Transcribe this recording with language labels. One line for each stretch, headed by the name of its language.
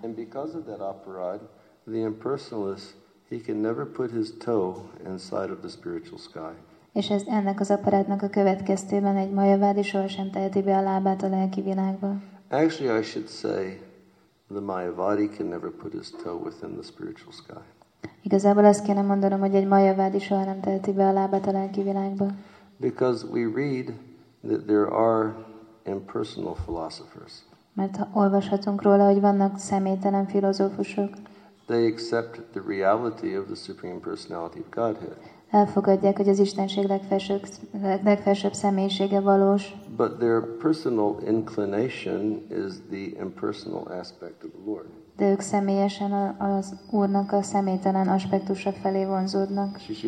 English: And because of that aparád, the impersonalist, he can never put his toe inside of the spiritual sky.
Hungarian: És ez ennek az aparádnak a következtében egy Mayavadi sohasem teheti be a lábát a lelki világba.
English: Actually, I should say, the Mayavadi can never put his toe within the spiritual sky.
Hungarian: Igazából azt kéne mondanom, hogy egy Mayavadi soha nem teheti be a lábát a lelki világba.
English: Because we read that there are impersonal philosophers.
Hungarian: Mert olvashatunk róla, hogy vannak személytelen filozófusok.
English: They accept the reality of the Supreme Personality of Godhead.
Hungarian: Elfogadják, hogy az Istenség legfelsőbb személyisége valós.
English: But their personal inclination is the impersonal aspect of the Lord.
Hungarian: De ők személyesen az Úrnak a személytelen aspektusa felé vonzódnak.